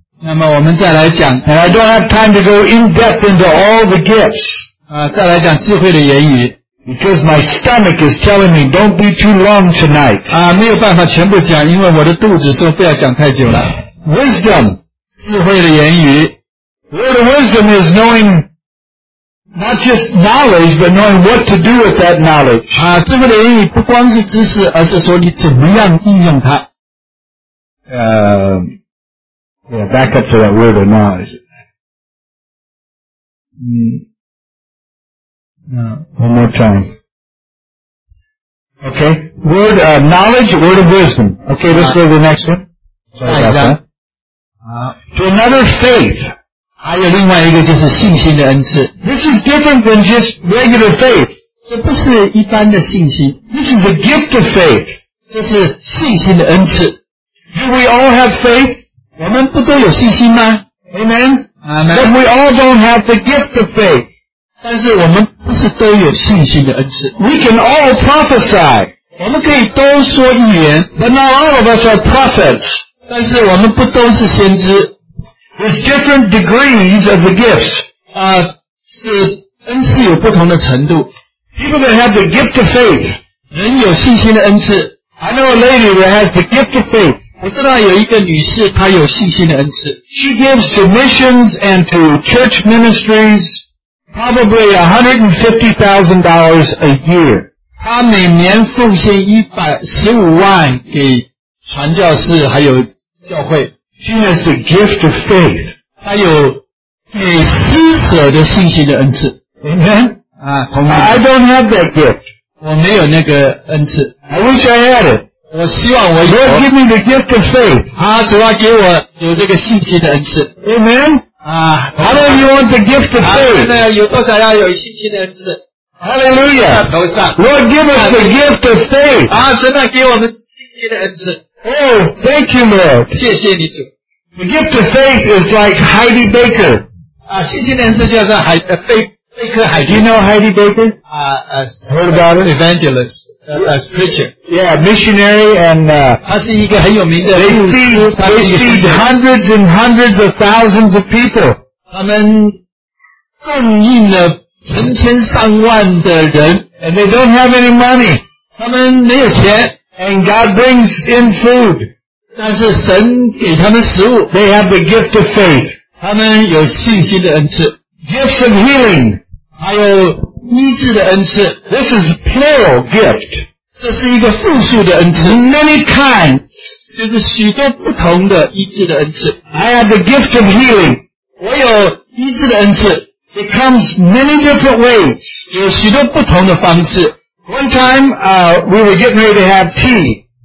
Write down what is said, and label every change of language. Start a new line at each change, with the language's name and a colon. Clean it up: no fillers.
Chinese: 那么我们再来讲
English: And I don't have time to go in depth into all the gifts
Chinese: 再来讲智慧的言语
English: Because my stomach is telling me don't be too long tonight
Chinese: 没有办法全部讲因为我的肚子说不要讲太久了
English: Wisdom
Chinese: 智慧的言语
English: Word of wisdom is knowingNot just knowledge, but knowing what to do with that knowledge.
Chinese: 智慧的言语不光是知识，而是说你怎么样应用它。
English: Yeah, back up to that word of knowledge. One more time. Okay. Word, knowledge, word of wisdom. Okay, let's go to the next one. Sorry about that. To another faith.
Chinese: 还有另外一个就是信心的恩赐。
English: This is different than just regular faith.
Chinese: 这不是一般的信心。
English: This is a gift of faith.
Chinese: 这是信心的恩赐。
English: Do we all have faith?
Chinese: 我们不都有信心吗？
English: Amen. Amen. But we all don't have the gift of faith.
Chinese: 但是我们不是都有信心的恩赐。
English: We can all prophesy.
Chinese: 我们可以都说预言。
English: But not all of us are prophets.
Chinese: 但是我们不都是先知。
English: There's different degrees of the gifts.
Chinese: 是恩赐有不同的程度。
English: People that have the gift of faith.
Chinese: 人有信心的恩赐。
English: I know a lady that has the gift of faith.
Chinese: 我知道有一个女士她有信心的恩赐。
English: She gives to missions and to church ministries probably $150,000 a year.
Chinese: 她每年奉献115万给传教士还有教会。
English: She has the gift of faith.
Chinese: 她有给施舍的信心的恩赐。
English: Amen.
Chinese: 同意。
English: I don't have that gift.
Chinese: 我没有那个恩赐。
English: I wish I had it.
Chinese: 我希望我有。
English: Lord, give me the gift of faith.
Chinese: 她主要给我有这个信心的恩赐。
English: Amen. How do you want the gift of faith?
Chinese: 有多少要有信心的恩赐。
English: Hallelujah.
Chinese: 头上。
English: Lord, give us the gift of faith.
Chinese: 神啊给我们信心的恩赐。
English: Oh, thank you, Lord.
Chinese: 谢谢你主。
English: The gift of faith is like Heidi Baker.
Chinese: 信心的恩赐就是贝克海。
English: Do you know Heidi Baker? Heard about her? Evangelist, as preacher. Yeah, missionary and,
Chinese: 她是一个很有名的。
English: They feed hundreds and hundreds of thousands of people.
Chinese: 他们供应了成千上万的人。
English: And they don't have any money.
Chinese: 他们没有钱。
English: And God brings in food.
Chinese: 但是神给他们食物。
English: They have the gift of faith.
Chinese: 他们有信心的恩赐。
English: Gifts of healing.
Chinese: 还有医治的恩赐。
English: This is plural gift.
Chinese: 这是一个复数的恩赐。
English: Many kinds.
Chinese: 就是许多不同的医治的恩赐。
English: I have the gift of healing.
Chinese: 我有医治的恩赐。
English: It comes many different ways.
Chinese: 有许多不同的方式。
English: One time, we were getting ready to have tea.